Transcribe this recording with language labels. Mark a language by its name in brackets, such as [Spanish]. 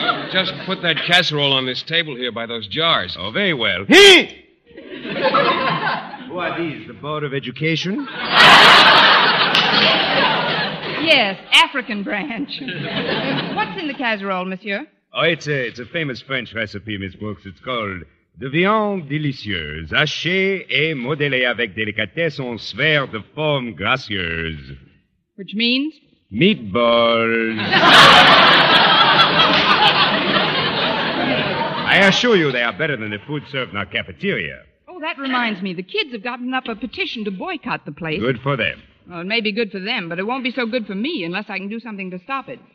[English] Just put that casserole on this table here by those jars. Oh, very well. Who are these, the Board of Education? Yes, African branch. What's in the casserole, monsieur? Oh, it's a famous French recipe, Miss Brooks. It's called [French] de viande délicieuse, hachée et modelée avec délicatesse en sphère de forme gracieuse. [English] Which means? Meatballs. I assure you they are better than the food served in our cafeteria. Oh, that reminds me. The kids have gotten up a petition to boycott the place. Good for them. Well, it may be good for them, but it won't be so good for me unless I can do something to stop it.